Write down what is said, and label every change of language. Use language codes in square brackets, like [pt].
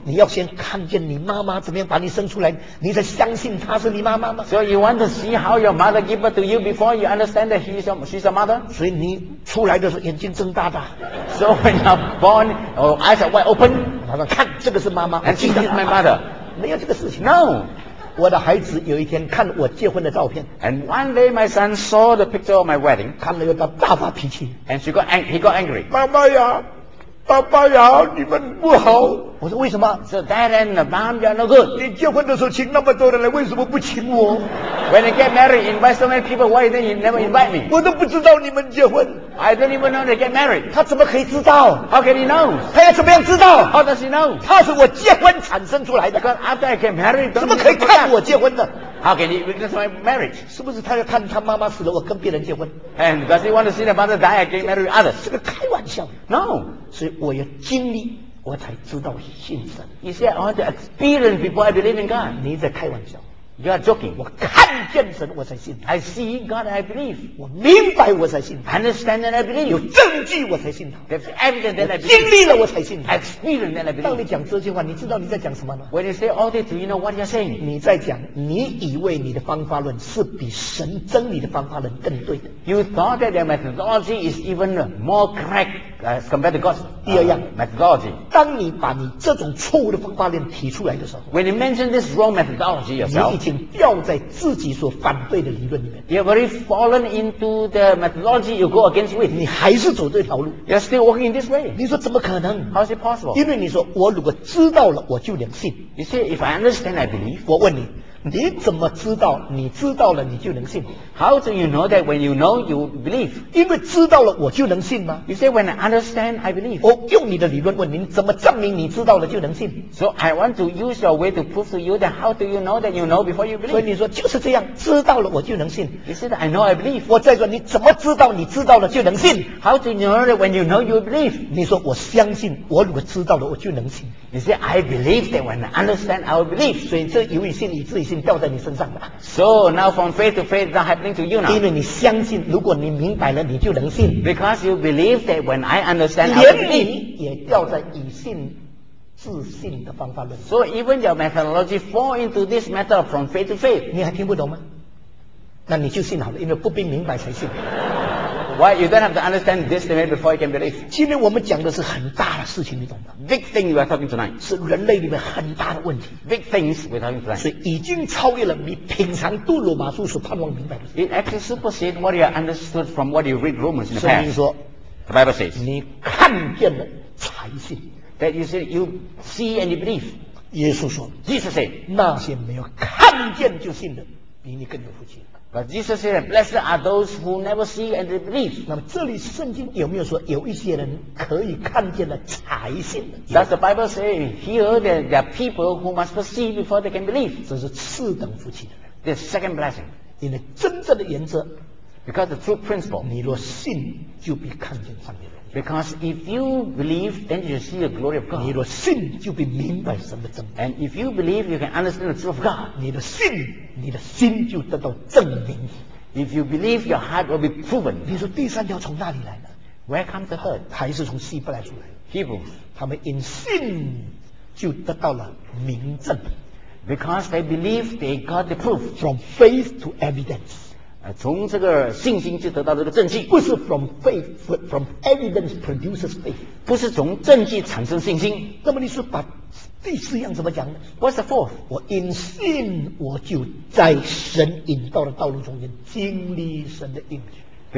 [zh] 你要先看见你妈妈怎么样把你生出来，你才相信她是你妈妈吗 [en] ？So you want to see how your mother gave birth to you before you understand that she's your mother？ [zh] 所以你出来的时候眼睛睁大大。 [en] So when you're born, eyes are wide open。 [zh] 马上看，这个是妈妈。 [en] And she is my mother。 [zh] 没有这个事情。 [en] No。 [zh] 我的孩子有一天看我结婚的照片 [en] ，and one day my son saw the picture of my wedding， [zh] 看了又大大发脾气 [en] ，and he got angry。 [zh] 妈妈呀，爸爸呀，你们不好。我说为什么 [en] ？So dad and the mom you're no good。 [zh] 你结婚的时候请那么多人来，为什么不请我 [en] ？When you get married, invite so many people. Why then you never invite me？ [zh] 我都不知道你们结婚。 [en] I don't even know they get married。 [zh] 他怎么可以知道 [en] ？How can he know？ [zh] 他要怎么样知道 [en] ？How does he know？ [zh] 他是我结婚产生出来的。 [en] Because after I get married， [zh] 怎么可以看我结婚的 [en] ？How can he witness my marriage？ [zh] 是不是他要看他妈妈死了，我跟别人结婚 [en] ？And does he want to see the mother die and get married with others？ [zh] 这个开玩笑。 [en] No， [zh] 所以我要经历。我才知道信神。 [en] You say I want to experience before I believe in God. [zh] 你在开玩笑。 [en] You are joking. [zh] 我看见神，我才信。 [en] I see God, I believe. [zh] 我明白，我才信。 [en] Understand that I believe. [zh] 有证据，我才信他。 [en] There's evidence that I believe. [zh] 经历了，我才信他。 [en] Experience that I believe. [zh] 当你讲这句话，你知道你在讲什么吗 [en] ？When you say all this, do you know what you're saying? [zh] 你在讲，你以为你的方法论是比神真理的方法论更对的。 [en] You thought that your methodology is even more correct. As compared to God's methodology. [zh] 当你把你这种错误的方法论提出来的时候 [en] ，When you mention this wrong methodology yourself， [zh] 你已经掉在自己所反对的理论里面。 [en] You've already fallen into the methodology you go against with。 [zh] 你还是走这条路。 [en] You're still walking in this way。 [zh] 你说怎么可能 [en] ？How is it possible？ [zh] 因为你说我如果知道了，我就能信。 [en] You say if I understand, I believe。 [zh] 我问你。你怎么知道你知道了你就能信 [en] ？How do you know that when you know you believe？ [zh] 因为知道了我就能信吗 [en] ？You say when I understand I believe。 [zh] 我用你的理论问您，怎么证明你知道了就能信 [en] ？So I want to use your way to prove to you that how do you know that you know before you believe？ [zh] 所以你说就是这样，知道了我就能信。 [en] You say that I know I believe。 [zh] 我再说你怎么知道你知道了就能信 [en] ？How do you know that when you know you believe？ [zh] 你说我相信，我如果知道了我就能信。 [en] You say I believe that when I understand I will believe。 [zh] 所以这由于信以至于信。掉在你身上吧。 [en] So now from faith to faith, that happening to you now. [zh] 因为你相信，如果你明白了，你就能信。 [en] Because you believe that when I understand, I believe. [zh] 连你也掉在以信自信的方法论。 [en] So even your methodology fall into this matter from faith to faith. [zh] 你还听不懂吗？那你就信好了，因为不必明白才信。 [en] Why you don't have to understand this limit before you can believe? [zh] 今天我们讲的是很大的事情，你懂吗 [en] ？Big thing we are talking tonight [zh] 是人类里面很大的问题。 [en] Big things we are talking tonight [zh] 是已经超越了你品尝杜鲁马书所盼望明白的。 [en] It actually supersedes what you understood from what you read Romans in the past. [zh] 圣经说 [en] ，The Bible says [zh] 你看见了才信。 [en] That you say you see and you believe. [zh] 耶稣说 [en] ，Jesus said [zh] 那些没有看见就信的，比你更有福气。 [en] But Jesus said, "Blessed are those who never see and believe." [zh] 那么这里圣经有没有说有一些人可以看见了才信的 [en] ？Does the Bible say here that there are people who must see before they can believe? [zh] 这是次等福气的人。 [en] The second blessing. [zh] 因为真正的原则 [en] ，because the true principle. [zh] 你若信，就比看见上帝的。 [en] Because if you believe, then you see the glory of God. [zh] 你若信，就比明白神的真理。 [en] And if you believe, you can understand the truth of God. [zh] 你的信，你的心就得到证明。 [en] If you believe, your heart will be proven. [zh] 你说第三条从哪里来呢 [en] ？Where comes the third? [zh] 还是从希伯来出来 [en] ？Hebrews. [zh] 他们因信就得到了明证。 [en] Because they believe, they got the proof. From faith to evidence. [zh] 从这个信心就得到这个证据，不是 [en] from faith, but from evidence produces faith. [zh] 不是从证据产生信心。那么你说把第四样怎么讲 [en] ？What's the fourth? [zh] 我因信我就在神引导的道路中间经历神的应许。